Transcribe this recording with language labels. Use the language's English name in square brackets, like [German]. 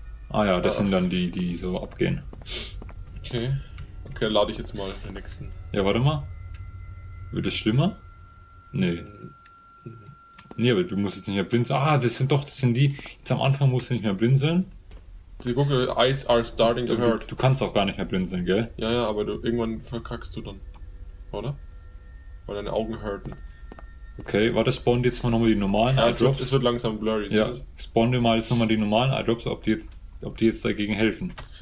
[German] Ah ja, das sind dann die, die so abgehen. Okay. Okay, lade ich jetzt mal den nächsten. Ja, warte mal. Wird es schlimmer? Nee. Nee, aber du musst jetzt nicht mehr blinzeln. Ah, das sind die. Jetzt am Anfang musst du nicht mehr blinzeln. [English] Die Google Eyes are starting to hurt. [German] Du kannst auch gar nicht mehr blinzeln, gell? Ja, aber du irgendwann verkackst du dann. Oder? Weil deine Augen hurten. Okay, warte, spawn jetzt mal nochmal die normalen Eye Drops. Es wird langsam blurry. Ja, spawn dir mal jetzt nochmal die normalen Eye Drops, ob die jetzt dagegen helfen.